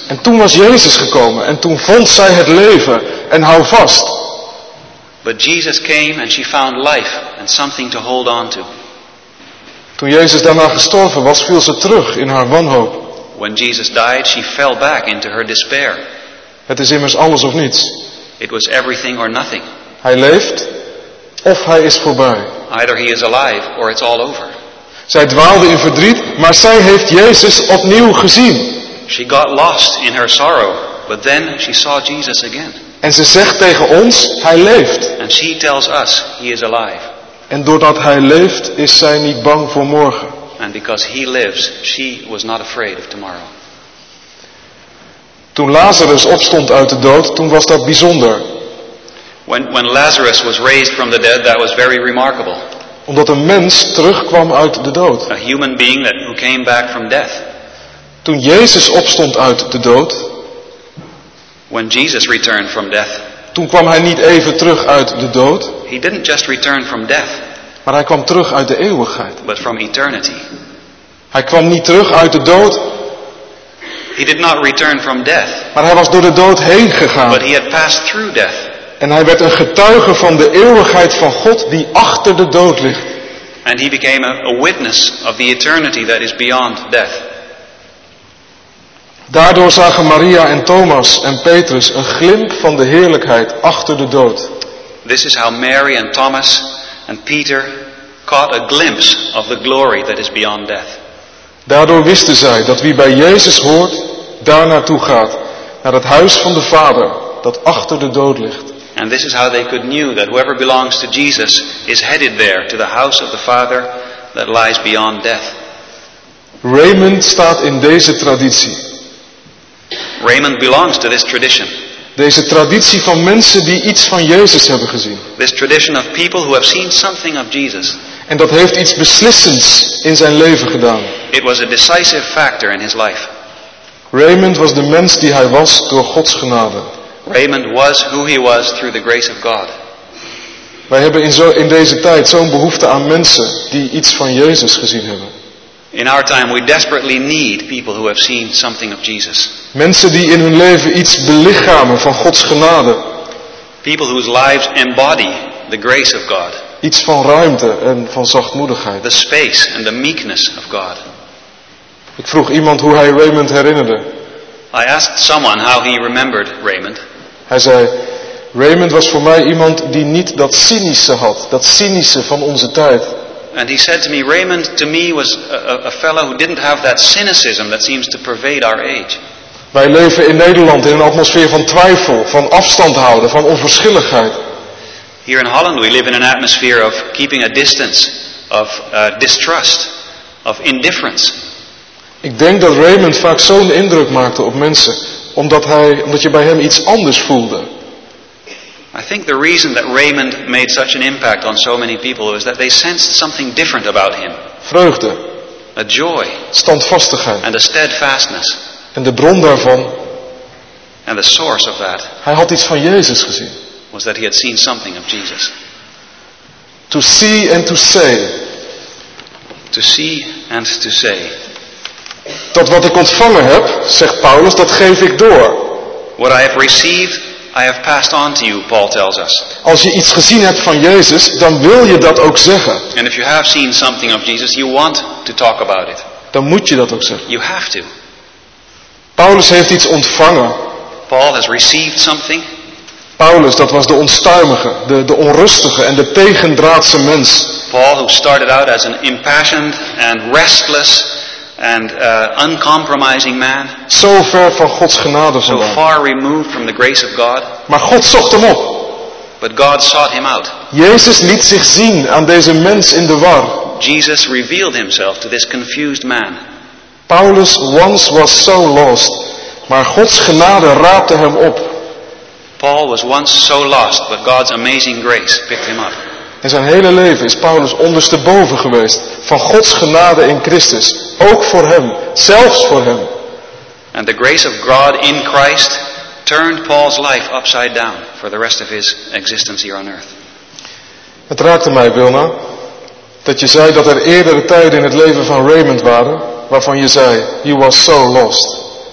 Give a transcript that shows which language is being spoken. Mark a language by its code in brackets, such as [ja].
[nl] En toen was Jezus gekomen en toen vond zij het leven en hou vast. [en] But Jesus came and she found life and something to hold on to. [nl] Toen Jezus daarna gestorven was, viel ze terug in haar wanhoop. [en] When Jesus died, she fell back into her despair. [nl] Het is immers alles of niets. [en] It was everything or nothing. [nl] Hij leeft of hij is voorbij. [en] Either he is alive or it's all over. [nl] Zij dwaalde in verdriet, maar zij heeft Jezus opnieuw gezien. [en] She got lost in her sorrow, but then she saw Jesus again. [nl] En ze zegt tegen ons, hij leeft. [en] And she tells us, he is alive. [nl] En doordat hij leeft, is zij niet bang voor morgen. [en] And because he lives, she was not afraid of tomorrow. [nl] Toen Lazarus opstond uit de dood, toen was dat bijzonder. [en] When Lazarus was raised from the dead, that was very remarkable. [nl] Omdat een mens terugkwam uit de dood. [en] A human being that came back from death. [nl] Toen Jezus opstond uit de dood. [en] When Jesus returned from death. [nl] Toen kwam hij niet even terug uit de dood. [en] He didn't just return from death. [nl] Maar hij kwam terug uit de eeuwigheid. [en] But from eternity. [nl] Hij kwam niet terug uit de dood. [en] He did not return from death. [nl] Maar hij was door de dood heen gegaan. [en] But he had passed through death. [nl] En hij werd een getuige van de eeuwigheid van God die achter de dood ligt. [en] And he became a witness of the eternity that is beyond death. [nl] Daardoor zagen Maria en Thomas en Petrus een glimp van de heerlijkheid achter de dood. [en] This is how Mary and Thomas and Peter caught a glimpse of the glory that is beyond death. [nl] Daardoor wisten zij dat wie bij Jezus hoort, daar naartoe gaat, naar het huis van de Vader dat achter de dood ligt. [en] And this is how they could knew that whoever belongs to Jesus is headed there to the house of the Father that lies beyond death. [nl] Raymond staat in deze traditie. [en] Raymond belongs to this tradition. [nl] Deze traditie van mensen die iets van Jezus hebben gezien. [en] This tradition of people who have seen something of Jesus. [nl] En dat heeft iets beslissends in zijn leven gedaan. [en] It was a decisive factor in his life. [nl] Raymond was de mens die hij was door Gods genade. [en] Raymond was who he was through the grace of God. [nl] Wij hebben in deze tijd zo'n behoefte aan mensen die iets van Jezus gezien hebben. [en] In our time we desperately need people who have seen something of Jesus. [nl] Mensen die in hun leven iets belichamen van Gods genade. [en] People whose lives embody the grace of God. [nl] Iets van ruimte en van zachtmoedigheid. [en] The space and the meekness of God. [nl] Ik vroeg iemand hoe hij Raymond herinnerde. [en] I asked someone how he remembered Raymond. [nl] Hij zei, Raymond was voor mij iemand die niet dat cynische had, dat cynische van onze tijd. [en] And he said to me, Raymond to me was a fellow who didn't have that cynicism that seems to pervade our age. [nl] Wij leven in Nederland in een atmosfeer van twijfel, van afstand houden, van onverschilligheid. [en] Here in Holland we live in an atmosphere of keeping a distance, of distrust, of indifference. [nl] Ik denk dat Raymond vaak zo'n indruk maakte op mensen, omdat je bij hem iets anders voelde. [en] I think the reason that Raymond made such an impact on so many people was that they sensed something different about him. [nl] Vreugde. [en] A joy. [nl] Standvastigheid. [en] And a steadfastness. [nl] En de bron daarvan. [en] And the source of that. [nl] Hij had iets van Jezus gezien. [en] Was that he had seen something of Jesus. To see and to say. To see and to say. [nl] Dat wat ik ontvangen heb, zegt Paulus, dat geef ik door. [en] What I have received, I have passed on to you, Paul tells us. [nl] Als je iets gezien hebt van Jezus, dan wil je dat ook zeggen. [en] And if you have seen something of Jesus, you want to talk about it. [nl] Dan moet je dat ook zeggen. [en] You have to. [nl] Paulus heeft iets ontvangen. [en] Paul has received something. [nl] Paulus, dat was de onstuimige, de onrustige en de tegendraadse mens. [en] Paul, who started out as an impassioned and restless and uncompromising man. [nl] Zo ver van Gods genade vandaan. [en] So far removed from the grace of God. [nl] Maar God zocht hem op. [en] But God sought him out. [nl] Jezus liet zich zien aan deze mens in de war. [en] Jesus revealed himself to this confused man. [nl] Paulus [en] once was so lost, [nl] maar Gods genade raapte hem op. [en] Paul was once so lost, but God's amazing grace picked him up. [nl] In zijn hele leven is Paulus ondersteboven geweest van Gods genade in Christus, ook voor hem, zelfs voor hem. [en] And the grace of God in Christ turned Paul's life upside down for the rest of his existence here on earth. [nl] Het raakte mij, Wilma, dat je zei dat er eerdere tijden in het leven van Raymond waren waarvan je zei, [en] he was so lost.